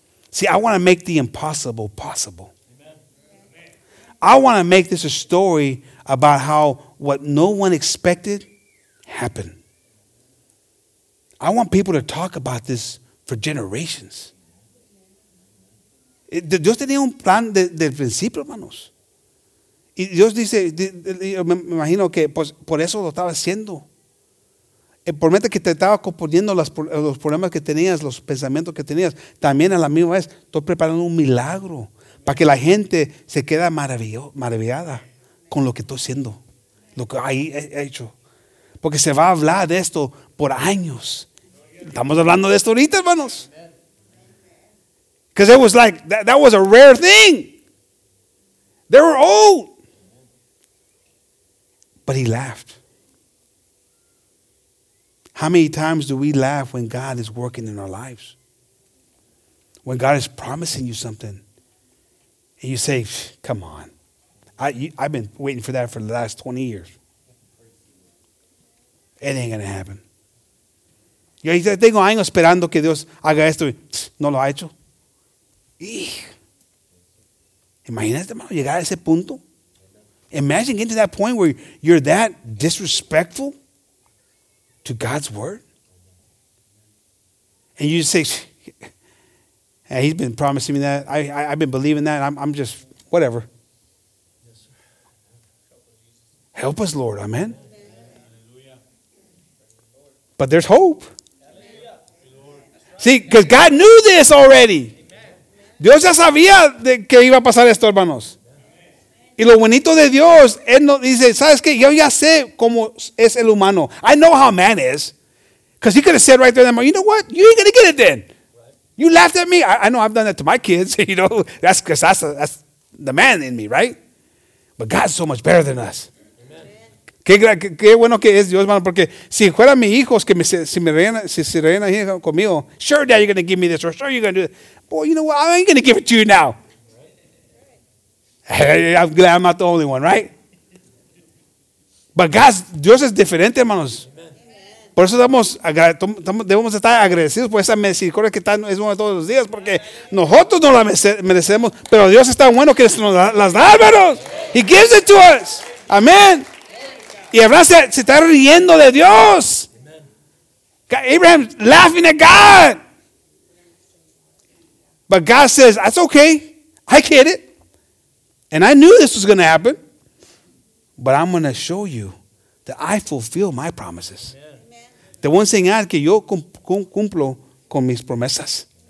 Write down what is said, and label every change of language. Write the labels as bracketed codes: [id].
[en] See, I want to make the impossible possible. I want to make this a story about how what no one expected happened. I want people to talk about this for generations. [es] Dios tenía un plan desde el principio, hermanos. Y Dios dice, me imagino que por eso lo estaba haciendo. Promete que te estaba componiendo los problemas que tenías, los pensamientos que tenías. También a la misma vez, estoy preparando un milagro para que la gente se quede maravillada con lo que estoy haciendo, lo que ahí he hecho. Porque se va a hablar de esto por años. Estamos hablando de esto ahorita, hermanos. [en] Because it was like, that was a rare thing. They were old. But he laughed. How many times do we laugh when God is working in our lives? When God is promising you something. And you say, come on. I've been waiting for that for the last 20 years. It ain't going to happen. [es] Yo tengo años esperando que Dios haga esto. No lo ha hecho. Imagínate, hermano, llegar a ese punto. [en] Imagine getting to that point where you're that disrespectful to God's word. And you say, hey, he's been promising me that. I've been believing that. I'm just, whatever. Help us, Lord. Amen. But there's hope. See, because God knew this already. [es] Dios ya sabía de que iba a pasar esto, hermanos. Y lo bonito de Dios, Él nos dice, ¿sabes qué? Yo ya sé cómo es el humano. [en] I know how man is. Because he could have said right there, you know what? You ain't going to get it then. You laughed at me. I know I've done that to my kids. You know, that's because that's the man in me, right? But God's so much better than us. [es] Qué bueno que es Dios, hermano, porque si fuera mis hijos que si me reina conmigo, [en] sure, dad, you're going to give me this, or sure, you're going to do that. Boy, you know what? I ain't going to give it to you now. I'm glad I'm not the only one, right? [es] But Dios es diferente, hermanos. Por eso debemos estar agradecidos por esa misericordia que es bueno todos los días, porque nosotros no la merecemos, pero Dios es tan bueno que nos las da, hermanos. [en] He gives it to us. [es] Amén. Y Abraham se está riendo de Dios. [en] Abraham laughing at God. But God says, that's okay. I get it. And I knew this was going to happen. But I'm going to show you that I fulfill my promises. [es] Te voy a enseñar que yo cumplo con mis promesas.